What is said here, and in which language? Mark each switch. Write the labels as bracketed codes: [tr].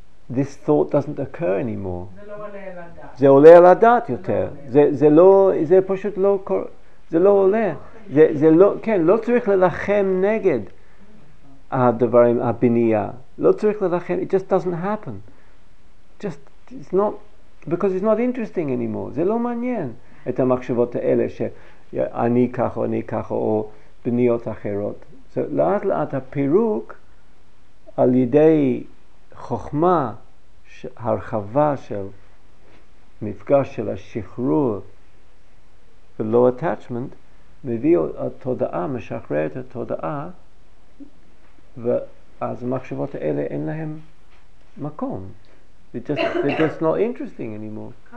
[en] This thought doesn't occur anymore. [he] זה לא עולה על הדעת. זה עולה על הדעת יותר. זה פשוט לא קורה, זה לא עולה. זה לא, כן, לא צריך ללחם נגד הדברים, הבנייה. לא צריך ללחם, [en] it just doesn't happen. Just, it's not, because it's not interesting anymore. [he] זה לא מעניין את המחשבות האלה שאני ככה, אני ככה, או בניות אחרות. So, לאט לאט הפירוק על ידי חוכמה, הרחבה של מפגש של השחרור ולא attachment, מביא התודעה, משחרר את התודעה, ואז המחשבות האלה אין להם מקום. [en] They're just not interesting anymore.